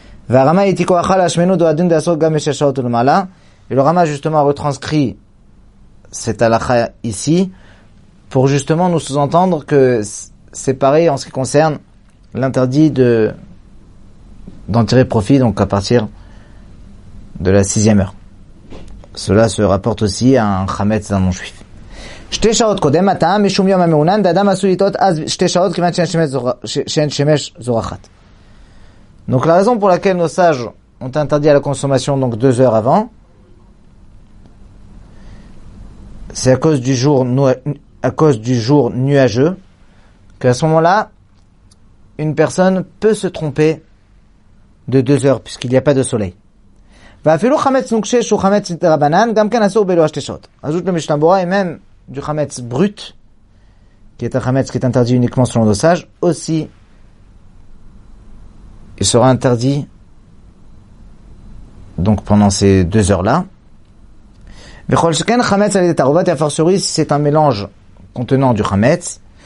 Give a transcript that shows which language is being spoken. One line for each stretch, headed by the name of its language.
French: Et le Rama justement a retranscrit cette halakha ici pour justement nous sous-entendre que c'est pareil en ce qui concerne l'interdit d'en tirer profit donc à partir de la sixième heure. Cela se rapporte aussi à un chametz d'un non-juif.
Hebrew: שתי שעות קודם מתה משום יום המעונן דאדם עשו לטעות אז שתי שעות כיוון שאין שמש זורחת.
French: Donc la raison pour laquelle nos sages ont interdit à la consommation donc deux heures avant, c'est à cause du jour nuageux qu'à ce moment-là une personne peut se tromper de deux heures puisqu'il n'y a pas de soleil.
Hebrew: ואפילו חמץ נוקשה שהוא חמץ דרבנן גם כן אסור בלוע שתי שעות.
French: Ajoute le Mishnah Berurah et même du chametz brut, qui est un chametz qui est interdit uniquement selon nos sages, aussi, il sera interdit, donc pendant ces deux heures-là.
Hebrew: V'chol shekhen chametz alé tarouvat,
French: et a fortiori, si c'est un mélange contenant du chametz.